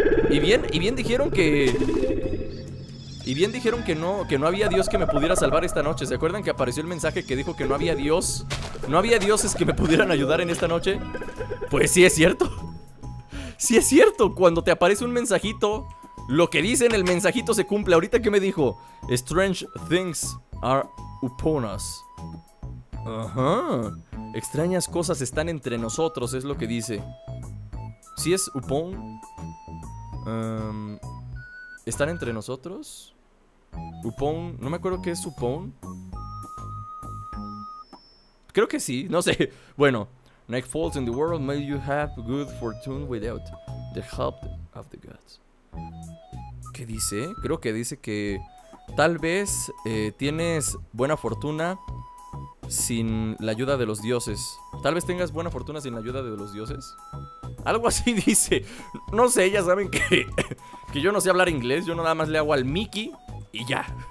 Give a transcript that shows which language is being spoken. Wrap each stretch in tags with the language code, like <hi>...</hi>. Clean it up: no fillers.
<es>Y bien dijeron que... Y bien dijeron que no había Dios que me pudiera salvar esta noche. ¿Se acuerdan que apareció el mensaje que dijo que no había Dios? ¿No había dioses que me pudieran ayudar en esta noche? Pues sí es cierto. Sí es cierto. Cuando te aparece un mensajito, lo que dice en el mensajito se cumple. ¿Ahorita qué me dijo?</es> <en>Strange things are upon us.</en> <es>Ajá. Extrañas cosas están entre nosotros, es lo que dice. ¿Sí es upon? ¿Están entre nosotros? Upon, no me acuerdo qué es upon. Creo que sí, no sé.</es> <en>Bueno, night falls in the world, may you have good fortune without the help of the gods.</en> <es>¿Qué dice? Creo que dice que tal vez tienes buena fortuna sin la ayuda de los dioses. Tal vez tengas buena fortuna sin la ayuda de los dioses. Algo así dice. No sé, ya saben que yo no sé hablar inglés. Yo nada más le hago al Mickey y ya.</es>